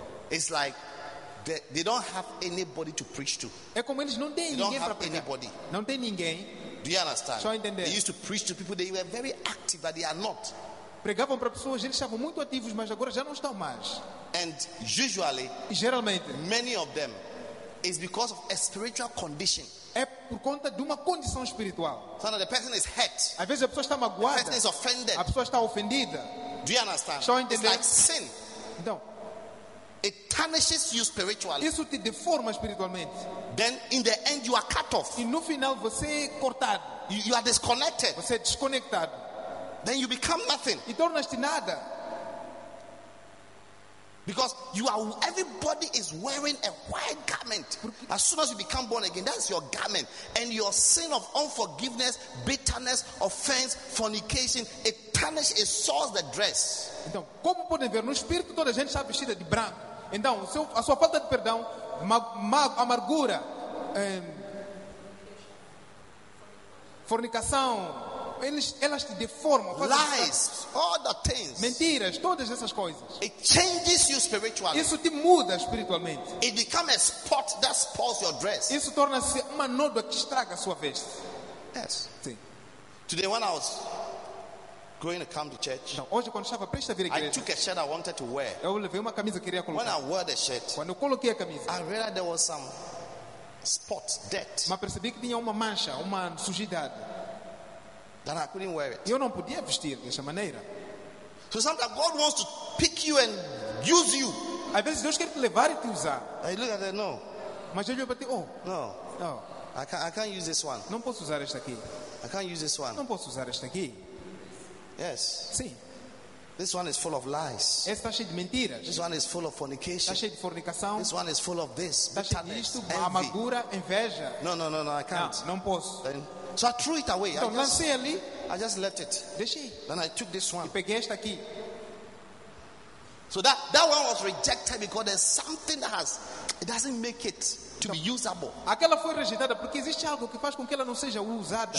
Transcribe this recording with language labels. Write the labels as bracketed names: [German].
[English] It's like they don't have anybody to preach to. [Portuguese] É como eles não têm [English] they [Portuguese] ninguém para pregar. [English] Anybody. [Portuguese] Não tem ninguém. [English] Do you understand? [Portuguese] Só entender. [English] They used to preach to people, they were very active, but they are not. [Portuguese] Pregavam para pessoas, eles estavam muito ativos, mas agora já não estão mais. [English] And usually, [Portuguese] e geralmente, [English] many of them is because of a spiritual condition. [Portuguese] É por conta de uma condição espiritual. [English] So the person is hurt. [Portuguese] Às vezes a pessoa está magoada. [English] The person is offended. [Portuguese] A pessoa está ofendida. [English] Do you understand? [Portuguese] Só entender. [English] It's like sin. [Portuguese] Então, [English] it tarnishes you spiritually. [Portuguese] Isso te deforma espiritualmente. [English] Then in the end you are cut off. [Portuguese] E no final você é cortado. [English] You are disconnected. [Portuguese] Você é desconectado. [English] Then you become nothing. [Portuguese] E tornas-te nada. [English] Because everybody is wearing a white garment. As soon as you become born again, that's your garment. And your sin of unforgiveness, bitterness, offense, fornication, it tarnishes, it soils the dress. [Portuguese] Então, como podem ver, no espírito toda a gente está vestida de branco. Então, a sua falta de perdão, amargura, fornicação, elas te deformam. [English] Lies, all the things. [Portuguese] Mentiras, todas essas coisas. [English] It changes you spiritually. [Portuguese] Isso te muda espiritualmente. [English] It becomes a spot that spoils your dress. [Portuguese] Isso torna-se uma nódoa que estraga a sua veste. [English] Yes. [Portuguese] Sim. [English] Today when I was going to come to church, [Portuguese] não, hoje quando estava prestes a vir à igreja, [English] I took a shirt I wanted to wear. [Portuguese] Eu levei uma camisa que queria colocar. [English] When I wore the shirt, [Portuguese] quando eu coloquei a camisa, [English] I realized there was some spot, dirt. [Portuguese] Mas percebi que tinha uma mancha, uma sujidade. [English] That I couldn't wear it. [Portuguese] Eu não podia vestir dessa maneira. [English] So sometimes God wants to pick you and use you. [Portuguese] Às vezes Deus quer te levar e te usar. [English] I look at that, no. [Portuguese] Mas ele olhou para ti, oh. [English] No. No. I can't use this one. [Portuguese] Não posso usar esta aqui. [English] I can't use this one. [Portuguese] Não posso usar esta aqui. [English] Yes. [Portuguese] Sim. [English] This one is full of lies. [Portuguese] Esta cheia de mentiras. [English] This one is full of fornication. [Portuguese] Está cheia de fornicação. [English] This one is full of this. [Portuguese] Está cheia disto, amargura, inveja. [English] No, I can't. [Portuguese] Não, não posso. [English] Then, so I threw it away. [Portuguese] Então, lancei ali. [English] I just left it. [Portuguese] Deixei. [English] Then I took this one. [Portuguese] E peguei esta aqui. [English] So that one was rejected because there's something that has it doesn't make it to be usable. [Portuguese] Aquela foi rejeitada porque existe algo que faz com que ela não seja usada.